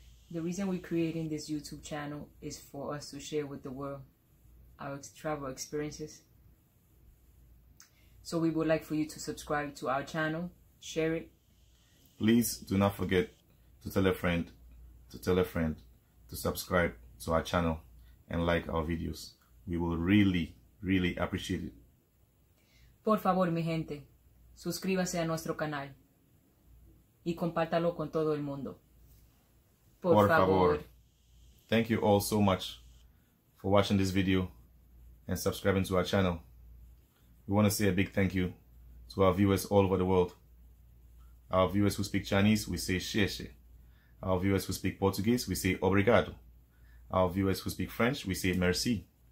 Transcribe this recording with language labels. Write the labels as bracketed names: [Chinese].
[English] The reason we're creating this YouTube channel is for us to share with the world our travel experiences. So we would like for you to subscribe to our channel, share it. Please do not forget to tell a friend, to subscribe to our channel and like our videos. We will really, really appreciate it. [Spanish] Por favor, mi gente, suscríbase a nuestro canal y compártalo con todo el mundo. Por favor. [English] Thank you all so much for watching this video and subscribing to our channel. We want to say a big thank you to our viewers all over the world. Our viewers who speak Chinese, we say xiexie. Our viewers who speak Portuguese, we say obrigado. Our viewers who speak French, we say merci.